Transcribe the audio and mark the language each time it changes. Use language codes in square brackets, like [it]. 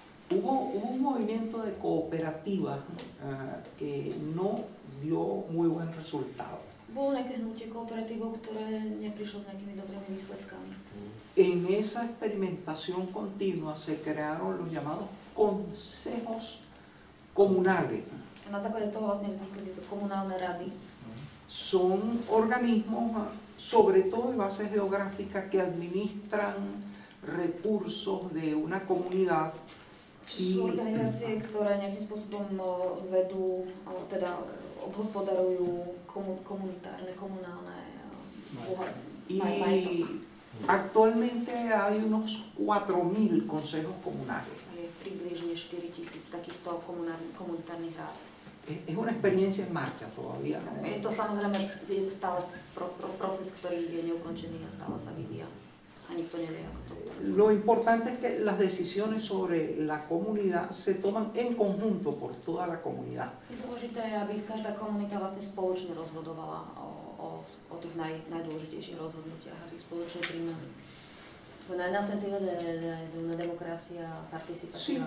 [es] Hubo un movimiento de cooperativas que no dio muy buen resultado. [sk] Bolo nejaké hnutie kooperatívov, ktoré neprišlo s nejakými dobrými výsledkami. [es] En esa experimentación continua se crearon los llamados consejos comunales. [sk] A na základe toho vlastne vznikli tieto komunálne rady. [es] Son organismos, sobre todo en bases geográficas, que administran recursos de una comunidad. [sk] Sú organizácie, ktoré nejakým spôsobom vedú, teda obhospodarujú komunitárne, komunálne majetok. [es] Actualmente hay unos 4000 consejos comunales. [sk] Je približne 4000 takýchto komunitárnych rád. [es] Es una experiencia en marcha todavía, ¿no? [sk] Je to samozrejme, je to stále proces, ktorý je neukončený a stále sa vyvíja. A nikto nevie, ako to bude. [es] Lo importante es que las decisiones sobre la comunidad se toman en conjunto por toda la comunidad. [sk] Je dôležité, aby každá komunita vlastne spoločne rozhodovala o tých najdôležitejších rozhodnutiach, aby spoločne prijímali. [es] Con el sentido de una democracia participativa.